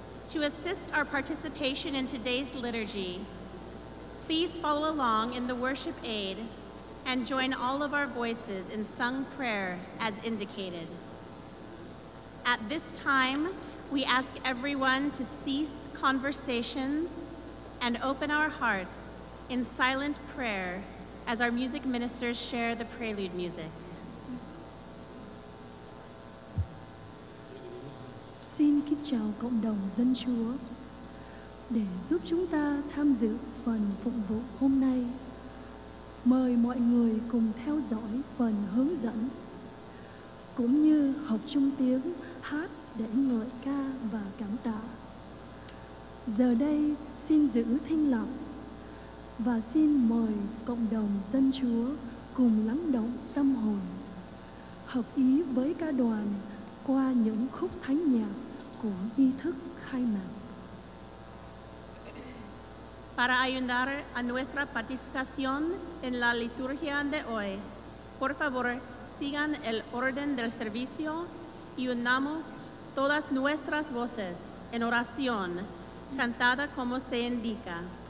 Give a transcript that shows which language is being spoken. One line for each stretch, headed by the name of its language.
English: To assist our participation in today's liturgy, please follow along in the worship aid and join all of our voices in sung prayer as indicated. At this time, we ask everyone to cease conversations and open our hearts in silent prayer as our music ministers share the prelude music.
Vietnamese: Xin kính chào cộng đồng dân Chúa. Để giúp chúng ta tham dự phần phụng vụ hôm nay, mời mọi người cùng theo dõi phần hướng dẫn, cũng như học chung tiếng hát để ngợi ca và cảm tạ. Giờ đây xin giữ thinh lặng và xin mời cộng đồng dân Chúa cùng lắng động tâm hồn, hợp ý với ca đoàn qua những khúc thánh nhạc của nghi thức khai mạc.
Spanish: Para ayudar a nuestra participación en la liturgia de hoy, por favor, sigan el orden del servicio y unamos todas nuestras voces en oración, cantada como se indica.